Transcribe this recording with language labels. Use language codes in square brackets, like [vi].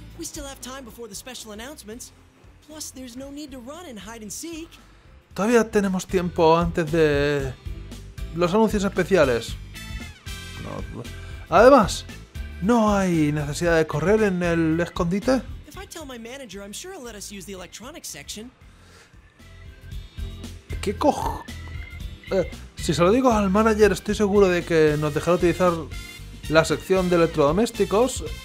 [en] We still have time before the special announcements. Plus, there's no need to run and hide and seek. [es] Todavía tenemos tiempo antes de... los anuncios especiales. No. Además, ¿no hay necesidad de correr en el escondite? [en] If I tell my manager, I'm sure he'll let us use the electronic section. [es] ¿Qué cojo? Si se lo digo al manager, estoy seguro de que nos dejará utilizar la sección de electrodomésticos.